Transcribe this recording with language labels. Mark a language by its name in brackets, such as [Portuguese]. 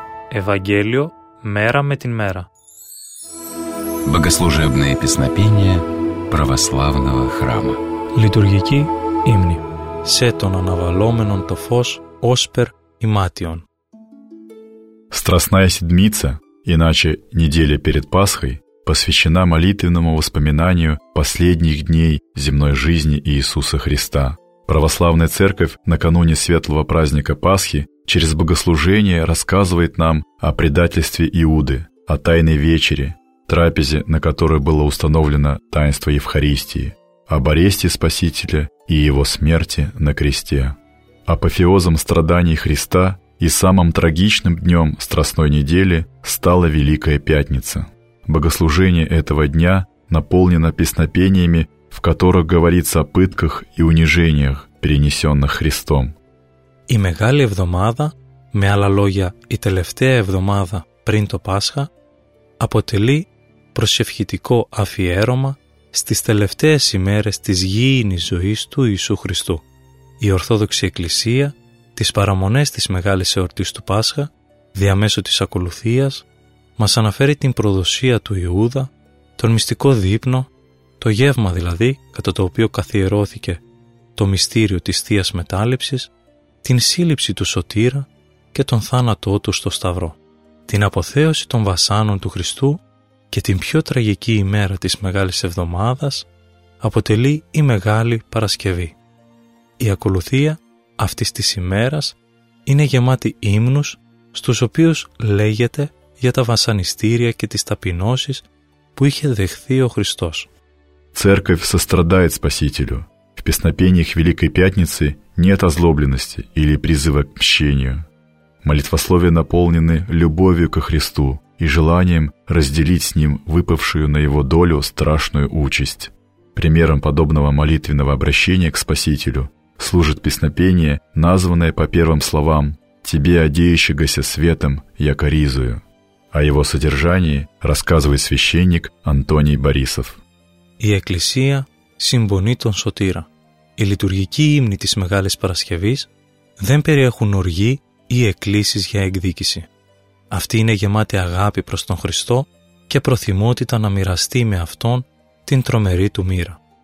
[Greek] Евангелие мера με την мера. [Russian] Богослужебные песнопения православного храма. [Greek] Литургики имни. Σε τον αναβαλόμενον το φως όσπερ ημάτιον. [Russian] Страстная седмица, иначе неделя перед Пасхой, посвящена молитвенному воспоминанию последних дней земной жизни Иисуса Христа. Православная Церковь накануне светлого праздника Пасхи через богослужение рассказывает нам о предательстве Иуды, о Тайной Вечере, трапезе, на которой было установлено таинство Евхаристии, об аресте Спасителя и Его смерти на кресте. Апофеозом страданий Христа и самым трагичным днем Страстной Недели стала Великая Пятница. Богослужение этого дня наполнено песнопениями, в которых говорится о пытках и унижениях, перенесенных Христом. [Greek] И мегале эвдомада, με άλλα λόγια, η τελευταία εβδομάδα πριν το Πάσχα, αποτελεί προσευχητικό αφιέρωμα στις τελευταίες ημέρες της γήινης ζωής του Ιησού Χριστού. Η Ορθόδοξη Εκκλησία, τις παραμονές της μεγάλης εορτής του Πάσχα, διαμέσου της ακολουθίας, μας αναφέρει την προδοσία του Ιούδα, τον μυστικό δείπνο, το γεύμα δηλαδή, κατά το οποίο καθιερώθηκε το μυστήριο της Θείας Μετάληψης, την σύλληψη του Σωτήρα και τον θάνατό του στο Σταυρό, την αποθέωση των βασάνων του Χριστού και την πιο τραγική ημέρα της Μεγάλης Εβδομάδας αποτελεί η Μεγάλη Παρασκευή. Η ακολουθία αυτής της ημέρας είναι γεμάτη ύμνους στους οποίους λέγεται για τα βασανιστήρια και τις ταπεινώσεις που είχε δεχθεί ο Χριστός. [Russian] Церковь сострадает Спасителю. В песнопениях Великой Пятницы нет озлобленности или призыва к мщению. Молитвословия наполнены любовью ко Христу и желанием разделить с Ним выпавшую на Его долю страшную участь. Примером подобного молитвенного обращения к Спасителю служит песнопение, названное по первым словам «Тебе, одеющегося светом, я коризую». О его содержании рассказывает священник Антоний Борисов. [Greek] Η Εκκλησία συμπονεί τον Σωτήρα. Οι λειτουργικοί ύμνοι της Μεγάλης Παρασκευής δεν περιέχουν οργή ή εκκλήσεις για εκδίκηση. Αυτή είναι γεμάτη αγάπη προς τον Χριστό και προθυμότητα να μοιραστεί με Αυτόν την τρομερή του μοίρα.